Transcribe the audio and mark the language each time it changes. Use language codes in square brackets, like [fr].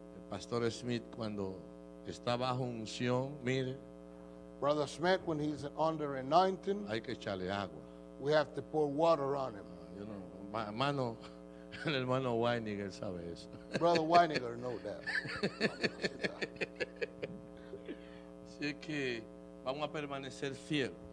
[es] El Pastor Smith, cuando está bajo unción, mire. [en] Brother Smith, when he's under anointing. [es] Hay que echarle agua. [en] We have to pour water on him. You know, mano. [es] El hermano Weininger sabe eso. [en] Brother Weininger know that. [es] Así que vamos a permanecer fiel.